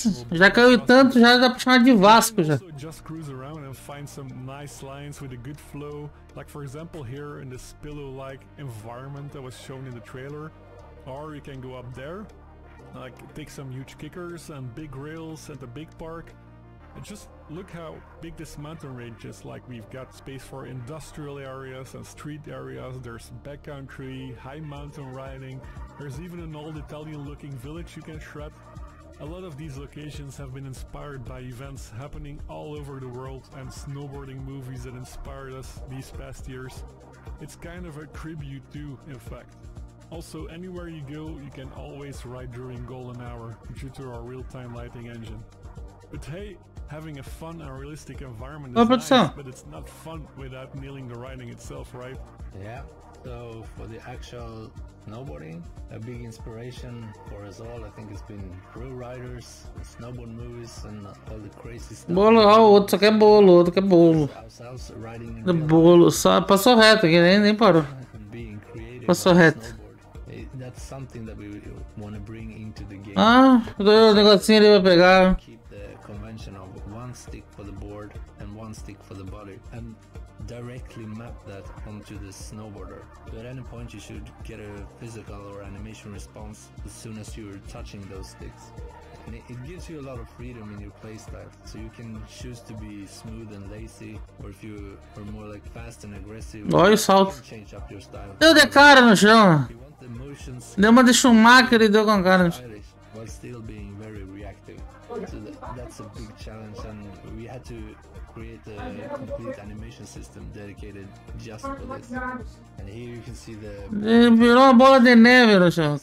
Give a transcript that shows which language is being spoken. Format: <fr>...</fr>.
<pt>Já caiu tanto, já dá pra chamar de Vasco já.</pt> <en>Just cruise around and find some nice lines with a good flow. Like for example here in this pillow-like environment that was shown in the trailer. Or you can go up there. Like take some huge kickers and big rails at the big park. And just look how big this mountain range is. Like we've got space for industrial areas and street areas. There's backcountry, high mountain riding. There's even an old Italian looking village you can shred. A lot of these locations have been inspired by events happening all over the world and snowboarding movies that inspired us these past years. It's kind of a tribute to, in fact. Also, anywhere you go, you can always ride during golden hour due to our real-time lighting engine. But hey, having a fun and realistic environment is nice, but it's not fun without nailing the riding itself, right? Yeah, so for the actual snowboarding, a big inspiration for us all, I think it's been crew riders, snowboard movies, and all the crazy stuff.</en> <pt>Bolo, ah, o outro só quer bolo, outro quer bolo. Bolo, só passou reto aqui, nem parou. Passou reto.</pt> <en>That's something that we want to bring into the game.</en> <pt>Ah, o negocinho ele vai pegar.</pt> <en>Keep the convention of one stick for the board and one stick for the body and directly map that onto the snowboarder. So at any point you should get a physical or animation response as soon as you're touching those sticks. And it gives you a lot of freedom in your playstyle, so you can choose to be smooth and lazy, or if you are more like fast and aggressive,</en> <pt>olha o salto.</pt> <en>You can change up your style.</en> <pt>Deu de cara no chão. Deu uma de Schumacher e deu com cara no chão.</pt> <en>While still being very reactive. So that's a big challenge, and we had to create a complete animation system dedicated just for this. And here you can see the...</en> <pt>Ele virou uma bola de neve no chão.</pt>